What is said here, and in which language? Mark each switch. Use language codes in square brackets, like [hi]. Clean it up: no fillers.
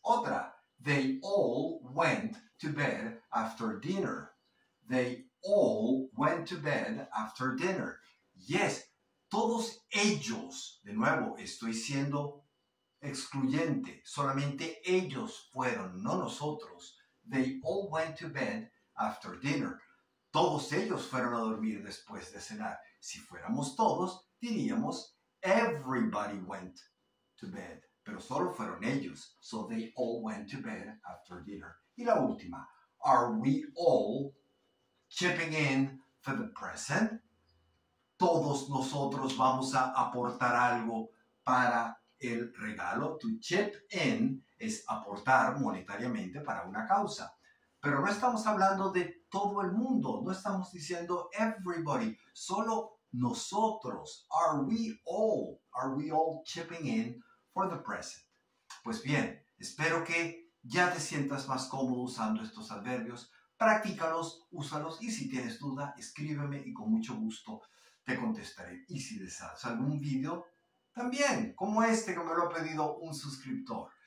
[es] Otra, [en] they all went to bed after dinner. They all went to bed after dinner. [es] Yes, todos ellos, de nuevo, estoy siendo excluyente. Solamente ellos fueron, no nosotros. [en] They all went to bed after dinner. [es] Todos ellos fueron a dormir después de cenar. Si fuéramos todos, diríamos [en] everybody went to bed. [es] Pero solo fueron ellos. [en] So they all went to bed after dinner. [es] Y la última. [en] Are we all chipping in for the present? [es] Todos nosotros vamos a aportar algo para el regalo. [en] To chip in [es] es aportar monetariamente para una causa. Pero no estamos hablando de todo el mundo. No estamos diciendo everybody. Solo nosotros. [en] Are we all chipping in for the present? [es] Pues bien, espero que ya te sientas más cómodo usando estos adverbios. Practícalos, úsalos y si tienes duda, escríbeme y con mucho gusto te contestaré. Y si deseas algún video, también, como este que me lo ha pedido un suscriptor.